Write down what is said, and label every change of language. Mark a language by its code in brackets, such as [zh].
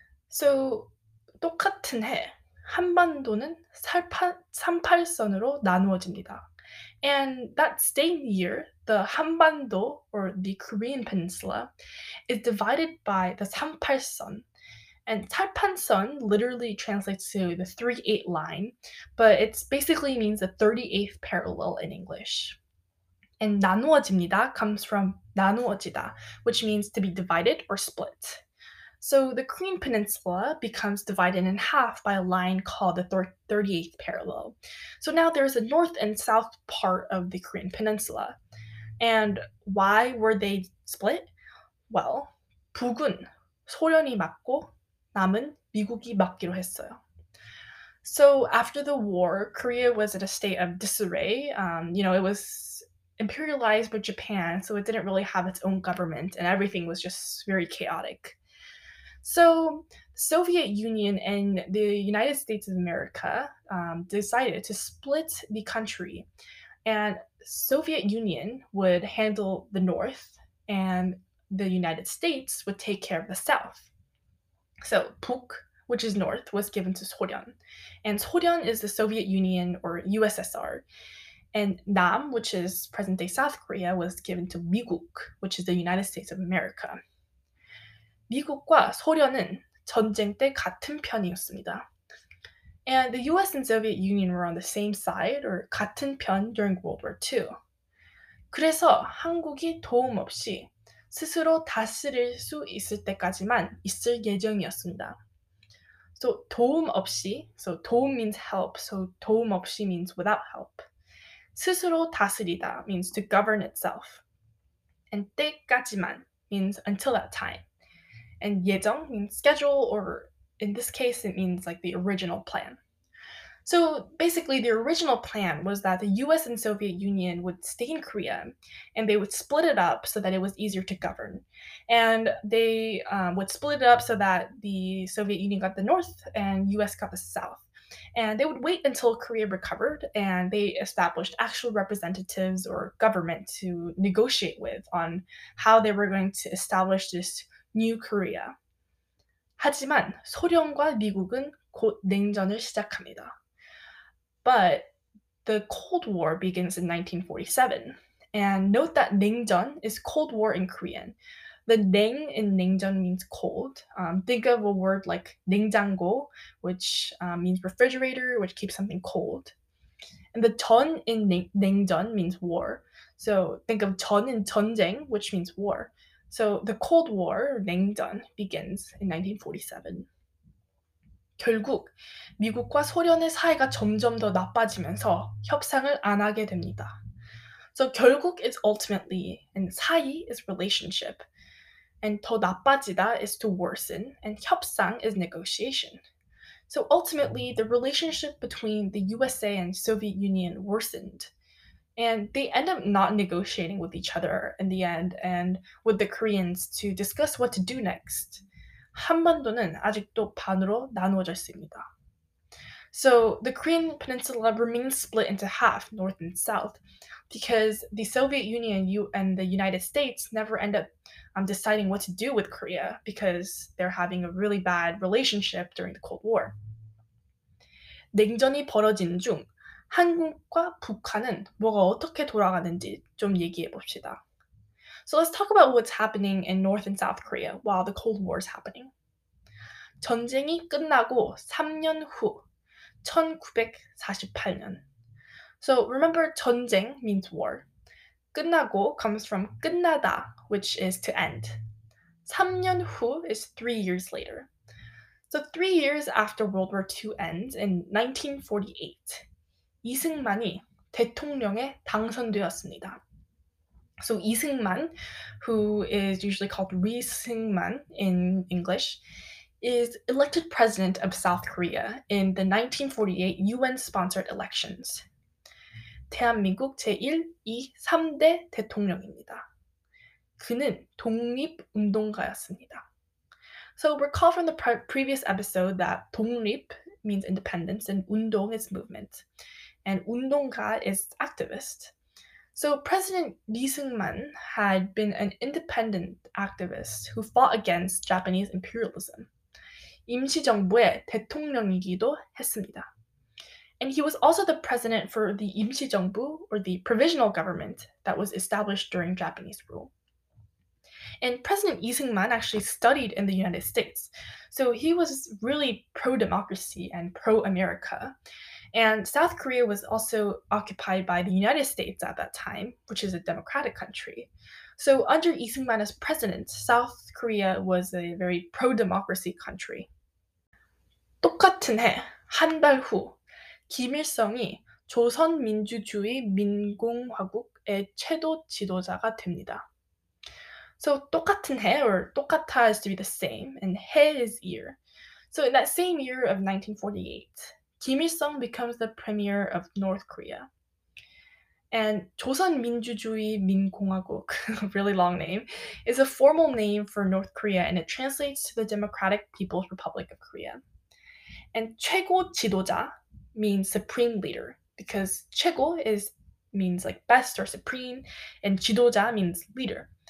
[ko] So 똑같은 해, 한반도는 38선으로 나누어집니다. [en] And that same year, the Hanbando, or the Korean Peninsula, is divided by the 38선. And 38선 literally translates to the 38 line, but it basically means the 38th parallel in English. And 나누어집니다 comes from 나누어지다, which means to be divided or split. So the Korean Peninsula becomes divided in half by a line called the 38th parallel. So now there's a north and south part of the Korean Peninsula. And why were they split? [ko] Well, 북은 소련이 막고 남은 미국이 막기로 했어요. [en] So after the war, Korea was in a state of disarray. It was imperialized by Japan, so it didn't really have its own government, and everything was just very chaotic. So, Soviet Union and the United States of America decided to split the country, and Soviet Union would handle the North, and the United States would take care of the South. So, 북, which is North, was given to 소련, and 소련 is the Soviet Union or USSR, and 남, which is present-day South Korea, was given to 미국, which is the United States of America. [ko] 미국과 소련은 전쟁 때 같은 편이었습니다. [en] And the US and Soviet Union were on the same side, or 같은 편, during World War II. [ko] 그래서 한국이 도움 없이 스스로 다스릴 수 있을 때까지만 있을 예정이었습니다. [en] So 도움 없이, so 도움 means help, so 도움 없이 means without help. 스스로 다스리다 means to govern itself. And 때까지만 means until that time. And 예정 means schedule, or in this case, it means like the original plan. So basically, the original plan was that the US and Soviet Union would stay in Korea, and they would split it up so that it was easier to govern. And they would split it up so that the Soviet Union got the North and US got the South. And they would wait until Korea recovered, and they established actual representatives or government to negotiate with on how they were going to establish this New Korea. [ko] 하지만 소련과 미국은 곧 냉전을 시작합니다. [en] But the Cold War begins in 1947. And note that 냉전 is Cold War in Korean. The 냉 in 냉전 means cold. Think of a word like 냉장고, which means refrigerator, which keeps something cold. And the 전 in 냉전 means war. So think of 전 in 전쟁, which means war. So the Cold War, 냉전, begins in 1947. [ko] 결국 미국과 소련의 사이가 점점 더 나빠지면서 협상을 안 하게 됩니다. [en] So 결국 is ultimately, and 사이 is relationship, and 더 나빠지다 is to worsen, and 협상 is negotiation. So ultimately, the relationship between the USA and Soviet Union worsened. And they end up not negotiating with each other in the end and with the Koreans to discuss what to do next. [ko] 한반도는 아직도 반으로 나누어져 있습니다. [en] So the Korean Peninsula remains split into half, north and south, because the Soviet Union and the United States never end up deciding what to do with Korea because they're having a really bad relationship during the Cold War. [ko] 냉전이 벌어진 중 한국과 북한은 뭐가 어떻게 돌아가는지 좀 얘기해 봅시다. [en] So let's talk about what's happening in North and South Korea while the Cold War is happening. [ko] 전쟁이 끝나고 3년 후, 1948년. [en] So remember, 전쟁 means war. 끝나고 comes from 끝나다, which is to end. 3년 후 is 3 years later. So 3 years after World War II ends in 1948, [ko] 이승만이 대통령에 당선되었습니다. [en] So 이승만, who is usually called Ri Seung-man in English, is elected president of South Korea in the 1948 UN-sponsored elections. [ko] 대한민국 제1, 2, 3대 대통령입니다. 그는 독립운동가였습니다. [en] So recall from the previous episode that 독립 means independence and 운동 is movement. And 운동가 is activist. So President Lee Seung-man had been an independent activist who fought against Japanese imperialism. 임시정부의 대통령이기도 했습니다. And he was also the president for the 임시정부, or the provisional government, that was established during Japanese rule. And President Lee Seung-man actually studied in the United States. So he was really pro-democracy and pro-America. And South Korea was also occupied by the United States at that time, which is a democratic country. So under Lee Seung-man as president, South Korea was a very pro-democracy country. [ko] 똑같은 해, 한 달 후, 김일성이 조선민주주의 민공화국의 최고 지도자가 됩니다. [en] So 똑같은 해, or 똑같아 is to be the same, and 해 is year. So in that same year of 1948, Kim Il-sung becomes the premier of North Korea. And [ko] 조선민주주의 민공화국, [en] really long name, is a formal name for North Korea, and it translates to the Democratic People's Republic of Korea. And 최고 지도자 means supreme leader, because 최고 means like best or supreme, and 지도자 means leader.